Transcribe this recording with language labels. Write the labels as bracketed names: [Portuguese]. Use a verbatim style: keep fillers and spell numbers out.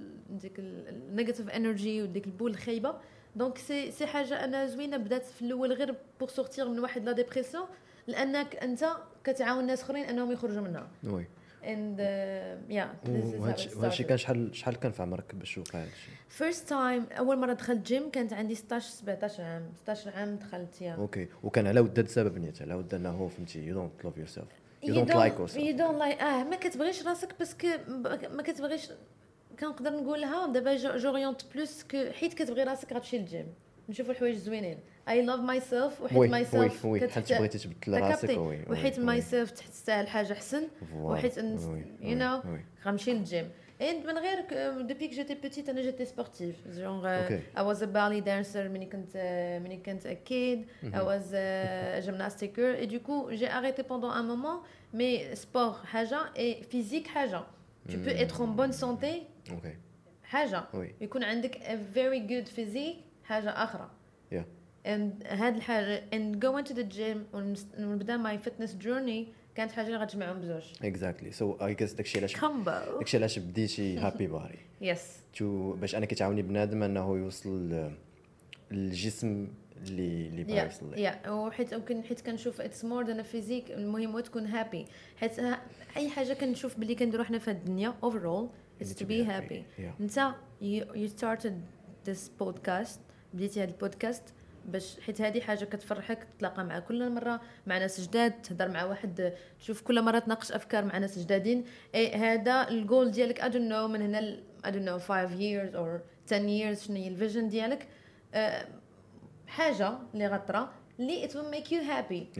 [Arabic] ديك النيجاتيف انرجي وديك البول الخايبه. دونك سي سي حاجه انا زوينه بدات في الاول غير بور سورتير من واحد لا ديبرسيون، لانك انت كتعاون الناس اخرين انهم يخرجوا منها. [French] وي [English] and uh, yeah this is how it started. [Arabic] وهادشي كان شحال شحال كان في عمرك باش وقع هادشي؟ [English] first time [Arabic] اول مره دخلت جيم كانت عندي ستة عشر سبعة عشر عام، ستة عشر عام دخلت يا [English] Okay. [Arabic] وكان على ود السبب نيت على ود انه فهمتي [English] you don't love yourself you, you don't, don't like yourself you don't like اه [Arabic] ما كتبغيش راسك باسكو ما كتبغيش. كنقدر نقولها دابا جوريونت بلوس ك حيت كتبغي راسك غتمشي للجيم نشوف الحوايج زوينين. [English] I love myself وحيت myself [Arabic] كنت بغيتي تبدل راسك وحيت myself تستاهل حاجه احسن وحيت [English] you know [Arabic] غنمشي للجيم. [French] and من غير depuis que j'étais petite انا j'étais sportive genre [English] I was a ballet dancer [French] ملي كنت ملي كنت [English] a kid I was a gymnastiqueur [French] et du coup j'ai arrêté pendant un moment mais sport حاجه et physique حاجه. tu peux être en bonne santé حاجه يكون عندك [English] a very good physique [French] حاجه اخرى. [English] and هاد الحاجه and going to the gym [Arabic] ونبدا [English] my fitness journey [Arabic] كانت حاجه اللي غتجمعهم بزوج. [English] exactly so I guess [Arabic] داكشي علاش [English] combo [Arabic] داكشي علاش بديتي هابي باري [English] yes [Arabic] تو باش انا كتعاوني بنادم انه يوصل للجسم اللي اللي بغا يوصل ليه. [English] yeah [Arabic] وحيت ممكن حيت كنشوف [English] it's more than a physique [Arabic] المهم تكون [English] happy. [Arabic] حيت اي حاجه كنشوف بلي كنديرو حنا في هاد الدنيا [English] overall is to be happy. [Arabic] انت [English] you started this podcast [Arabic] بديتي هاد البودكاست باش حيت هذه حاجه كتفرحك تتلاقى مع كل مره مع ناس جداد تهضر مع واحد تشوف كل مره تناقش افكار مع ناس جدادين. اي هذا الجول ديالك I don't know من هنا ل [English] I don't know five years or ten years [Arabic] شنو هي الفيجن ديالك. أه حاجه اللي غطره اللي [English] it will make you happy exactly.